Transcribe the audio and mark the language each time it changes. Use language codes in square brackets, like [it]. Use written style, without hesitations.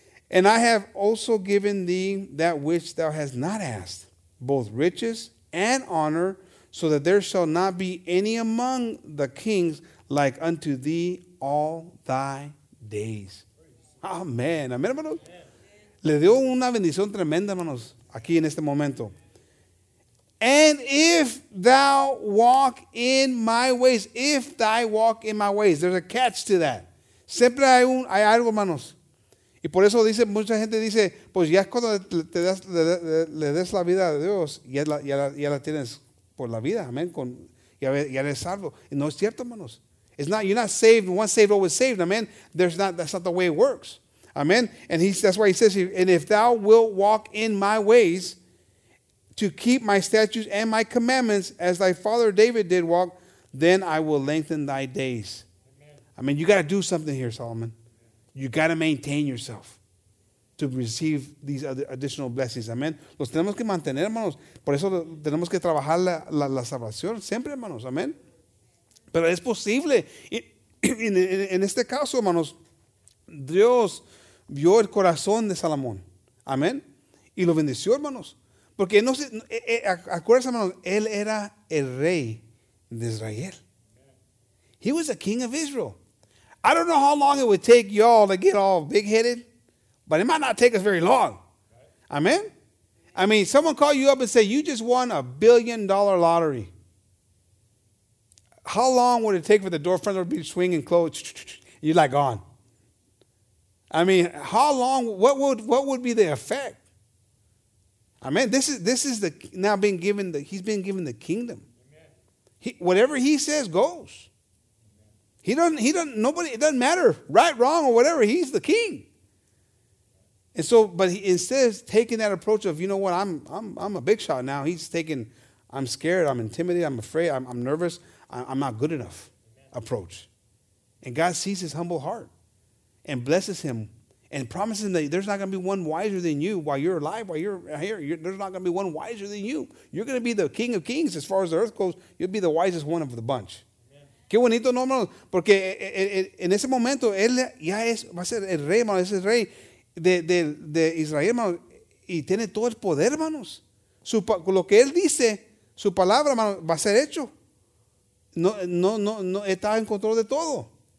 [en] And I have also given thee that which thou hast not asked, both riches and honor, so that there shall not be any among the kings like unto thee all thy days. [es] Amen. Amen, hermanos. Le dio una bendición tremenda, hermanos, aquí en este momento. [en] And if thou walk in my ways, if thy walk in my ways, there's a catch to that. [es] Siempre hay algo, hermanos. Y por eso dice, mucha gente dice, pues ya cuando le des la vida a Dios, ya la tienes por la vida, amén, ya eres salvo. Y no es cierto, hermanos. [en] You're not saved, once saved, always saved, amén. That's not the way it works, amén. And that's why he says, and if thou wilt walk in my ways to keep my statutes and my commandments as thy father David did walk, then I will lengthen thy days. Amen. I mean, you got to do something here, Solomon. You got to maintain yourself to receive these other additional blessings. [es] Amen. Los tenemos que mantener, hermanos. Por eso tenemos que trabajar la salvación siempre, hermanos. Amen. Pero es posible. En este caso, hermanos, Dios vio el corazón de Salomón. Amen. Y lo bendició, hermanos. Porque no sé, acuérdense, hermanos, él era el rey de Israel. [en] He was the king of Israel. I don't know how long it would take y'all to get all big-headed, but it might not take us very long. Amen? I mean, someone call you up and say, you just won a $1 billion lottery. How long would it take for the door frame to be swinging closed? You're like gone. I mean, how long, what would be the effect? Amen? This is the now being given, he's been given the kingdom. Whatever he says goes. It doesn't matter, right, wrong, or whatever. He's the king. And so, but he, instead of taking that approach of, you know what, I'm a big shot now, he's taking, I'm scared, I'm intimidated, I'm afraid, I'm nervous, I'm not good enough approach. And God sees his humble heart and blesses him and promises him that there's not going to be one wiser than you while you're alive, while you're here. There's not going to be one wiser than you. You're going to be the king of kings as far as the earth goes. You'll be the wisest one of the bunch. [es] Qué bonito, no, hermanos, porque en ese momento él ya es, va a ser el rey, hermanos, es el rey de Israel, hermanos, y tiene todo el poder, hermanos. Lo que él dice, su palabra, hermanos, va a ser hecho. No está en control de todo.